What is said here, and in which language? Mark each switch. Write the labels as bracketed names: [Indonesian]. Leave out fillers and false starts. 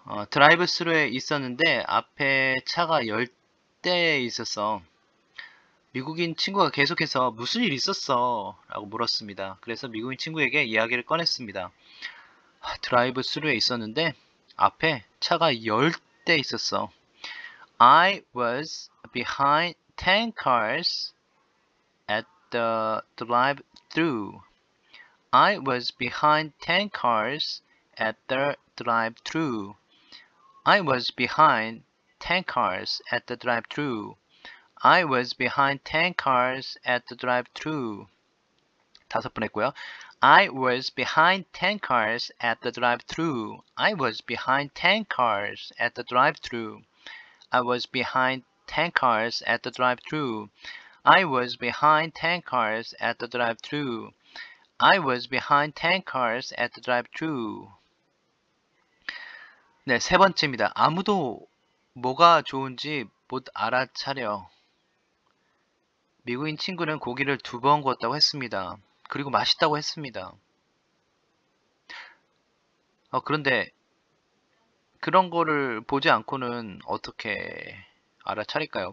[Korean] 드라이브 스루에 있었는데 앞에 차가 10대에 있어서 미국인 친구가 계속해서 무슨 일 있었어? 라고 물었습니다. 그래서 미국인 친구에게 이야기를 꺼냈습니다. 드라이브 스루에 있었는데 앞에 차가 10대 있었어. [English] I was behind 10 cars at the drive-through. I was behind 10 cars at the drive-through. I was behind 10 cars at the drive-through. I was behind 10 cars at the drive-through. [Korean] 다섯 번 했고요. [English] I was behind 10 cars at the drive-through. I was behind 10 cars at the drive-through. I was behind 10 cars at the drive-through. I was behind 10 cars at the drive-through. I was behind 10 cars at the drive-through. [Korean] 네, 세 번째입니다. 아무도 뭐가 좋은지 못 알아차려. 미국인 친구는 고기를 두번 구웠다고 했습니다. 그리고 맛있다고 했습니다. 그런데 그런 거를 보지 않고는 어떻게 알아차릴까요?